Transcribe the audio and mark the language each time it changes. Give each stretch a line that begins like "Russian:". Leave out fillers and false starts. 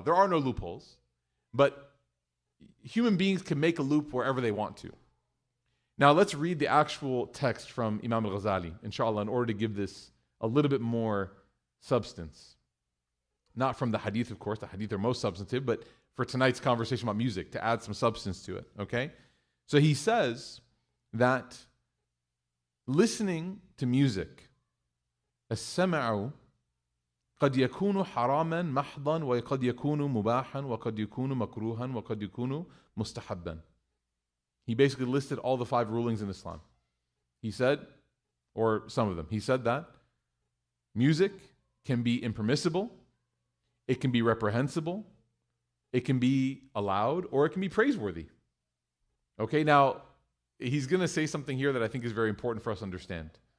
English: There are no loopholes, but human beings can make a loop wherever they want to. Now let's read the actual text from Imam al-Ghazali, inshallah, in order to give this a little bit more substance. Not from the hadith, of course, the hadith are most substantive, but for tonight's conversation about music, to add some substance to it, okay? So he says that listening to music,
Arabic: as-sama'u قَدْ يَكُونُ حَرَامًا مَحْضًا وَقَدْ يَكُونُ مُبَاحًا وَقَدْ يَكُونُ مَكْرُوهًا وَقَدْ يَكُونُ مُسْتَحَبًّا.
English: He basically listed all the five rulings in Islam. He said, or some of them, he said that music can be impermissible, it can be reprehensible, it can be allowed, or it can be praiseworthy. Okay, now, he's going to say something here that I think is very important for us to understand.